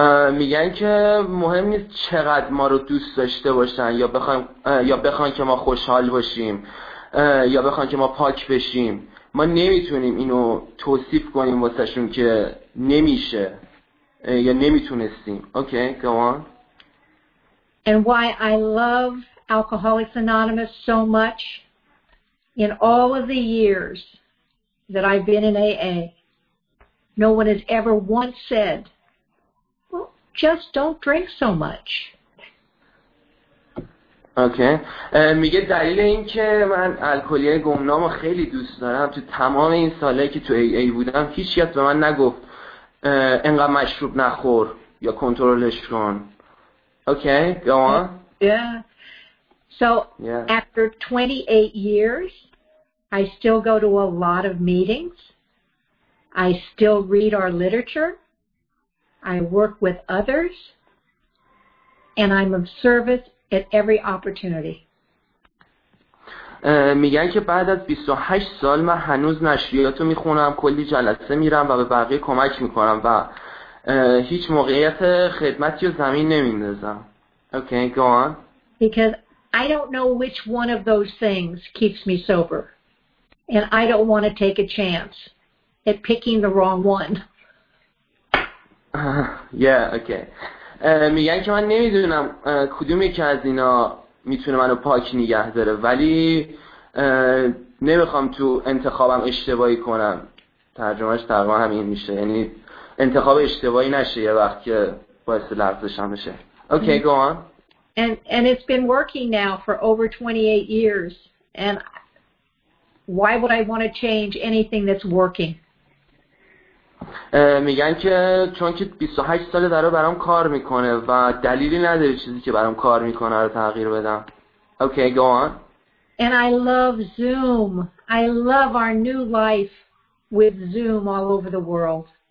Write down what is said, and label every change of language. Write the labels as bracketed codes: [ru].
[fa] میگن که مهم نیست چقدر ما رو دوست داشته باشن یا بخوان که ما خوشحال باشیم یا بخوان که ما پاک بشیم، ما نمیتونیم اینو توصیف کنیم واسهشون که نمیشه یا نمیتونستیم. [en] Okay, go on. And why I love Alcoholics Anonymous so much, in all of the years that I've been in AA, no one has ever once said, well, just don't drink so much. Okay. [fa] میگه دلیل این که من الکلی گمنام رو خیلی دوست دارم، تو تمام این سالهایی که تو AA بودم هیچ کس به من نگفت انقدر مشروب نخور یا کنترلش کن. [en] Okay, go on. So after 28 years, I still go to a lot of meetings. I still read our literature. I work with others. And I'm of service at every opportunity. [fa] میگن که بعد از 28 سال من هنوز نشریاتو میخونم، کلی جلسه میرم و به بقیه کمک میکنم و هیچ موقعیت خدمتی رو زمین نمیندازم. [en] Okay, go on. Because I don't know which one of those things keeps me sober. And I don't want to take a chance at picking the wrong one. Yeah, okay. [fa] میگن که من نمیدونم کدوم یکی از اینا میتونه منو پاک نگه داره، ولی نمیخوام تو انتخابم اشتباهی کنم. ترجمهش تقریبا همین میشه، یعنی انتخاب اشتباهی نشه یه وقت که باعث لرزشم بشه. [en] Okay, go on. And it's been working now for over 28 years. And why would I want to change anything that's working? [fa] میگن که چون که 28 ساله داره برام کار میکنه و دلیلی نداره چیزی که برام کار میکنه رو تغییر بدم. [en] Okay, go on. And I love Zoom. I love our new life with Zoom all over the world.